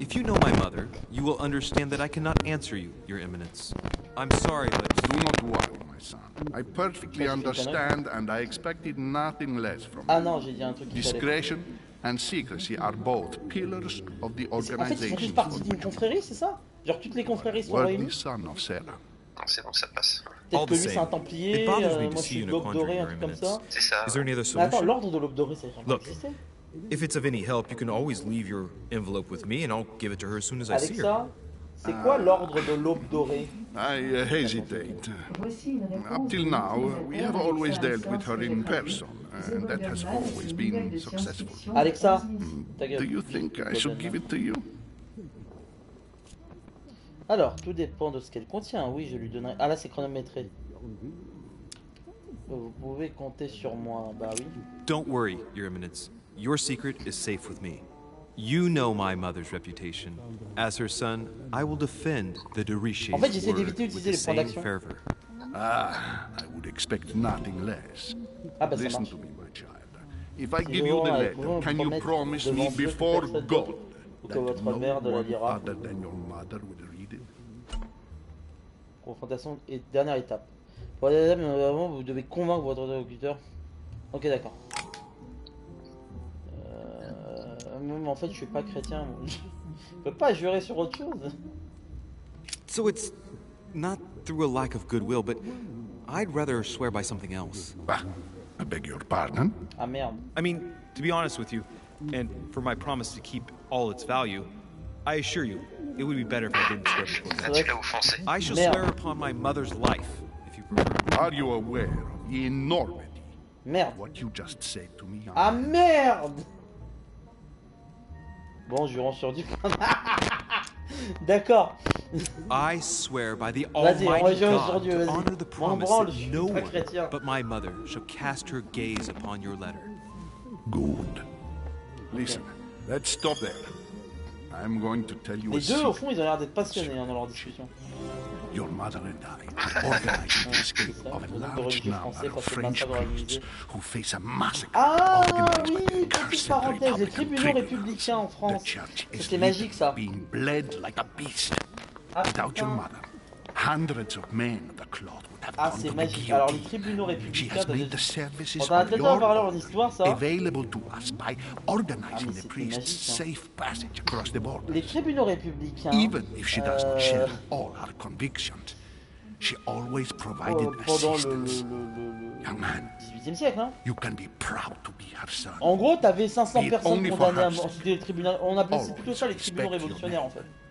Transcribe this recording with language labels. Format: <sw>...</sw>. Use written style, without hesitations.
<en>If you know my mother, you will understand that I cannot answer you, Your Eminence. I'm sorry, but... Do not worry, my son. I perfectly understand and I expected nothing less from</en> <fr>you. Ah non, j'ai dit un truc qui</fr> <en>Discretion and secrecy are both pillars of the organization.</en> <fr>En fait, ils font juste partie d'une confrérie, c'est ça ? Genre, toutes les confréries sont réunies ?</fr> <en>Worthy son of Sarah.</en> <fr>Non, c'est bon, ça passe. Peut-être que lui, c'est un templier, moi, je suis l'aube dorée, un truc comme ça. C'est ça.</fr> <en>Is there any other</en> <fr>attends, l'ordre de l'aube dorée, ça</fr> <en>Look. If it's of any help, you can always leave your envelope with me, and I'll give it to her as soon as Alexa, I see her.</en> <fr>Alexa, c'est quoi l'ordre de l'aube dorée?</fr> <en>I hesitate. Up till now, we have always dealt with her in person, and that has always been successful. Alexa, do you think I should give it to you?</en> <fr>Alors, tout dépend de ce qu'elle contient. Oui, je lui donnerai. Ah là, c'est chronométré. Vous pouvez compter sur moi, bah oui.</fr> <en>Don't worry, Your Eminence. Your secret is safe with me. You know my mother's reputation. As her son, I will defend the Dorishi's word with the same fervor. Ah, I would expect nothing less. Listen to me, my child. If I give you the letter, can you promise me before God that no one other than your mother would read it?</en> <fr>Confrontation et dernière étape. Pour la dame, vraiment, vous devez convaincre votre interlocuteur. Ok, d'accord. Mais en fait, je suis pas chrétien. Je peux pas jurer sur autre chose.</fr> <en>So it's not through a lack of goodwill, but I'd rather swear by something else. Bah, I beg your pardon.</en> <fr>Ah merde.</fr> <en>I mean, to be honest with you, and for my promise to keep all its value, I assure you, it would be better if I didn't swear before.</en> <fr>Là, tu l'as offensé.</fr> <en>I shall</en> <fr>merde.</fr> <en>Swear upon my mother's life, if you prefer. Are you aware of the enormity?</en> <fr>Merde.</fr> <en>What you just said to me.</en> <fr>Ah merde. Bon, jurons sur du pain. D'accord.</fr> <en>I swear by the Almighty God to honor the promise that no one but my mother shall cast her gaze upon your letter. Good. Listen, let's stop there. I'm going to tell you a secret.</en> <fr>Les deux, au fond, ils ont l'air d'être passionnés dans leur discussion.</fr> <en>Your mother and I have organized the escape of a large number of French priests who face a massacre organized by the Republican Republican in France. The church is being bled like a beast. Without your mother, hundreds of men of the cloth would have gone to the guillotine. She has made the services of your order available to us by organizing the priests' safe passage across the border. Even if she does not share all our convictions, she always provided assistance. Young man, you can be proud to be her son.</en> <fr>En gros, t'avais 500 personnes condamnées à mort du tribunal. On appelle plutôt ça les tribunaux révolutionnaires, en fait.</fr>